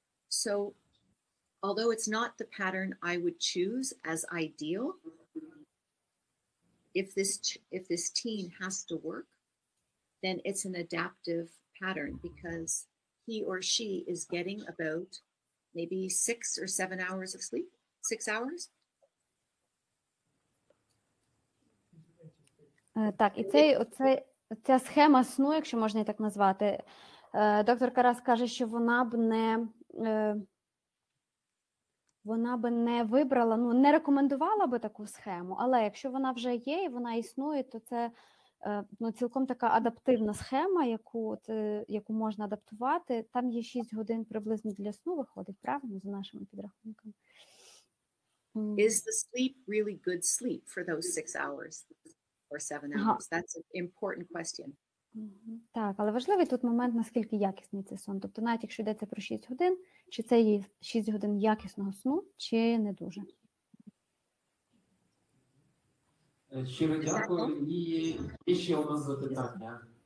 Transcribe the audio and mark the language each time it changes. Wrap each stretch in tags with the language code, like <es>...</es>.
<en>So, although it's not the pattern I would choose as ideal, if this teen has to work, then it's an adaptive pattern because he or she is getting about maybe 6 or 7 hours of sleep, 6 hours.</en> <uk>Так, і ця схема сну, якщо можна її так назвати, доктор Карас каже, що вона б не вибрала, не рекомендувала би таку схему, але якщо вона вже є і вона існує, то це цілком така адаптивна схема, яку можна адаптувати. Там є 6 годин приблизно для сну, виходить, правильно, за нашими підрахунками.</uk> <en>Is the sleep really good sleep for those 6 hours or 7 hours? That's an important question.</en> <uk>Так, але важливий тут момент, наскільки якісний цей сон. Тобто навіть якщо йдеться про 6 годин, чи це є 6 годин якісного сну, чи не дуже. Щиро дякую. І ще одне запитання.</uk>